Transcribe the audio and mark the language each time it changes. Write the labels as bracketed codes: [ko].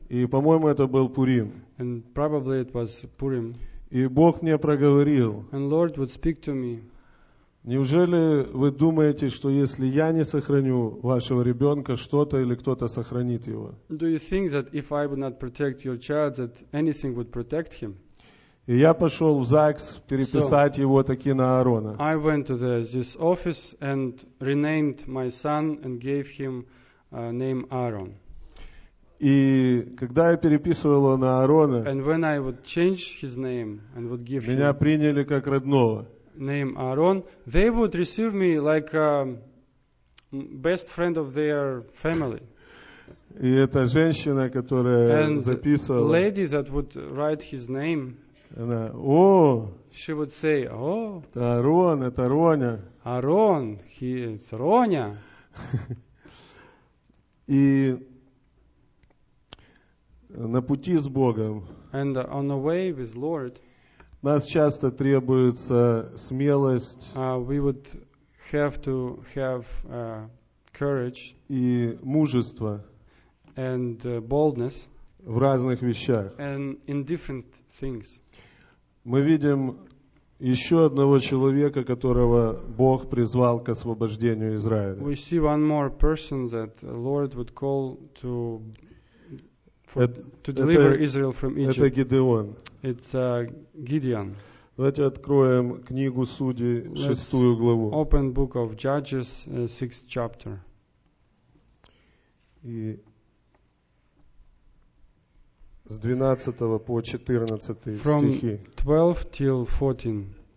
[ru] И, по-моему, это был Пурим. [en] And probably it was Purim. [ru] И Бог мне проговорил. [en] And Lord would speak to me. [ru] Неужели вы думаете, что если я не сохраню вашего ребенка, что-то или кто-то сохранит его? [en] Do you think that if I would not protect your child, that anything would protect him? [ru] И я пошел в ЗАГС переписать его таки на Аарона. [en] I went to this office and renamed my son and gave him name Aaron. [ru] И когда я переписывал его на Аарона, [en] and when I would change his name and would give [ru] меня [en] him, [ru] приняли как родного. [en] Name Aaron, they would receive me like a best friend of their family. [ru] И эта женщина, которая [en] and [ru] записывала, [en] lady that would write his name, [ru] она, о, [en] she would say, oh, [ru] это Aaron, это Роня. [en] Aaron, he is Роня. [ru] И на пути с Богом. [en] And on the way with Lord. [ru] Нас часто требуется смелость [en] we would have to have, courage [ru] и мужество [en] and, boldness [ru] в разных вещах. [en] And in different things. [ru] Мы видим еще одного человека, которого Бог призвал к освобождению Израиля. [en] We see one more person that Lord would call to, to deliver Israel from Egypt. [ru] Это Гедеон. [en] It's Gideon. [ru] Давайте откроем книгу Судей, шестую главу. [en] Open book of Judges, sixth chapter. [ru] И с 12 по 14 стихи. [en] From 12 till 14.